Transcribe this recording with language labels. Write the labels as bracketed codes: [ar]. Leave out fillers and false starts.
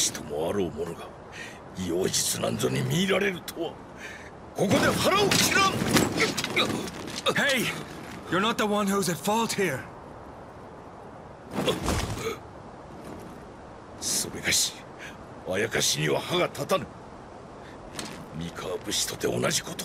[ja] なんぞに見入られるとは。ここで腹を切らん。 [en] Hey! You're not the one who's at fault here. [ja] それがし、あやかしには歯が立たぬ。三河武士とて同じこと。